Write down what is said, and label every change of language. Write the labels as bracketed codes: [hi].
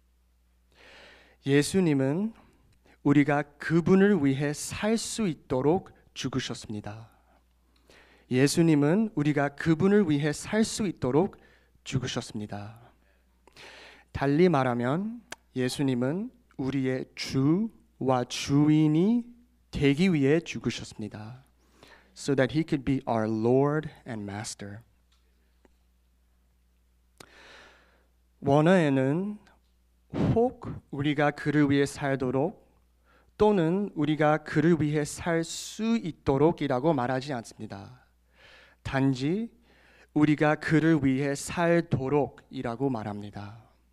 [ko] 예수님은 우리가 그분을 위해 살 수 있도록 죽으셨습니다. 예수님은 우리가 그분을 위해 살 수 있도록 죽으셨습니다. 달리 말하면 예수님은 우리의 주와 주인이 되기 위해 죽으셨습니다. [en] So that he could be our Lord and Master. [ko] 원어에는 혹 우리가 그를 위해 살도록 또는 우리가 그를 위해 살 수 있도록이라고 말하지 않습니다. 단지 우리가 그를 위해 살도록이라고 말합니다.